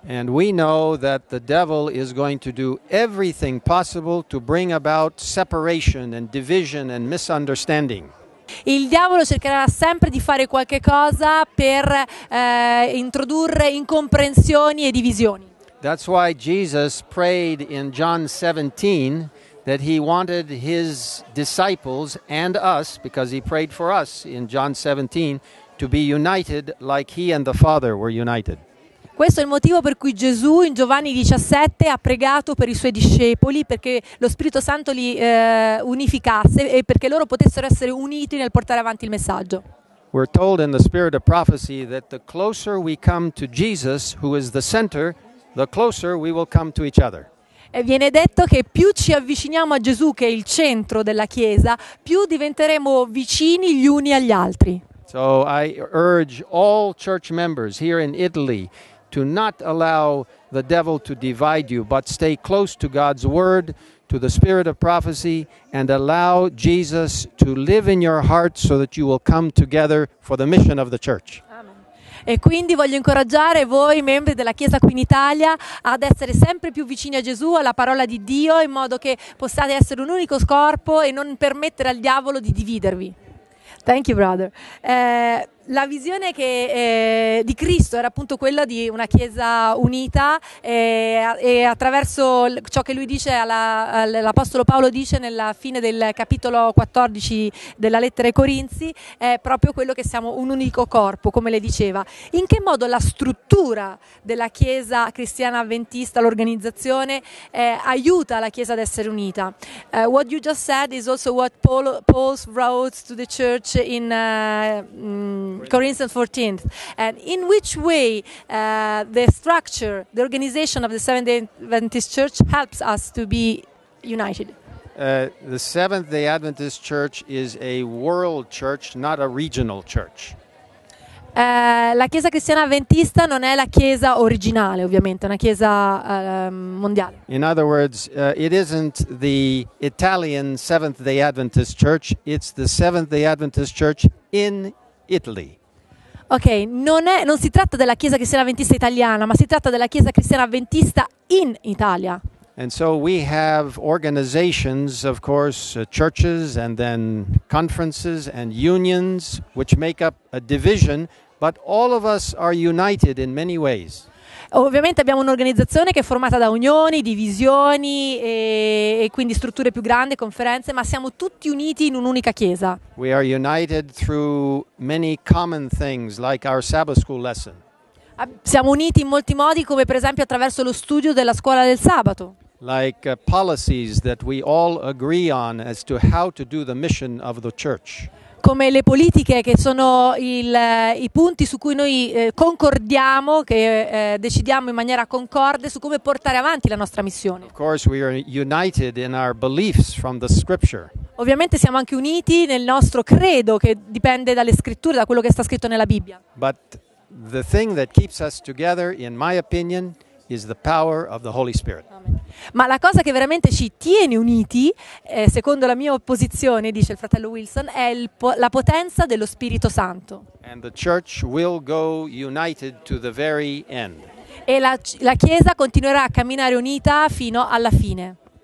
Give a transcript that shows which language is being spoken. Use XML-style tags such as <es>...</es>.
<en>And we know that the devil is going to do everything possible to bring about separation and division and misunderstanding.</en> <it>Il diavolo cercherà sempre di fare qualche cosa per introdurre incomprensioni e divisioni.</it> <en>That's why Jesus prayed in John 17 that he wanted his disciples and us, because he prayed for us in John 17, to be united like he and the Father were united.</en> <it>Questo è il motivo per cui Gesù in Giovanni 17 ha pregato per i suoi discepoli, perché lo Spirito Santo li unificasse e perché loro potessero essere uniti nel portare avanti il messaggio.</it> <en>We're told in the spirit of prophecy that the closer we come to Jesus, who is the center, the closer we will come to each other.</en> <it>E viene detto che più ci avviciniamo a Gesù, che è il centro della Chiesa, più diventeremo vicini gli uni agli altri.</it> <en>So I urge all church members here in Italy to not allow the devil to divide you, but stay close to God's word, to the spirit of prophecy, and allow Jesus to live in your heart so that you will come together for the mission of the church.</en> <it>E quindi voglio incoraggiare voi, membri della Chiesa qui in Italia, ad essere sempre più vicini a Gesù, alla parola di Dio, in modo che possiate essere un unico corpo e non permettere al diavolo di dividervi.</it> <en>Thank you, brother.</en> <it>La visione che, di Cristo era appunto quella di una Chiesa unita e attraverso ciò che lui dice, l'Apostolo Paolo dice nella fine del capitolo 14 della lettera ai Corinzi, è proprio quello che siamo un unico corpo, come le diceva. In che modo la struttura della Chiesa cristiana avventista, l'organizzazione, aiuta la Chiesa ad essere unita?</it> <en>What you just said is also what Paul wrote to the church in Corinthians 14, and in which way the structure, the organization of the Seventh-day Adventist Church helps us to be united? The Seventh-day Adventist Church is a world church, not a regional church.</en> <it>La Chiesa Cristiana Adventista non è la Chiesa originale, ovviamente, è una Chiesa mondiale.</it> <en>In other words, it isn't the Italian Seventh-day Adventist Church, it's the Seventh-day Adventist Church in Italy.</en> <it>Ok, non si tratta della Chiesa Cristiana Adventista italiana, ma si tratta della Chiesa Cristiana Adventista in Italia.</it> <en>And so we have organizations, of course, churches and then conferences and unions which make up a division, but all of us are united in many ways.</en> <it>Ovviamente abbiamo un'organizzazione che è formata da unioni, divisioni e quindi strutture più grandi, conferenze, ma siamo tutti uniti in un'unica chiesa.</it> <en>We are united through many common things, like our Sabbath school lesson.</en> <it>Siamo uniti in molti modi, come per esempio attraverso lo studio della scuola del sabato.</it> <en>Like policies that we all agree on as to how to do the mission of the church.</en> <it>Come le politiche che sono i punti su cui noi concordiamo, che decidiamo in maniera concorde su come portare avanti la nostra missione.</it> <en>Of course we are united in our beliefs from the scripture.</en> <it>Ovviamente siamo anche uniti nel nostro credo, che dipende dalle scritture, da quello che sta scritto nella Bibbia.</it> <en>But the thing that keeps us together, in my opinion, is the power of the Holy Spirit.</en> <it>Ma la cosa che veramente ci tiene uniti, secondo la mia posizione, dice il fratello Wilson, è la potenza dello Spirito Santo.</it> <en>And the church will go united to the very end.</en> <it>E la Chiesa continuerà a camminare unita fino alla fine.</it>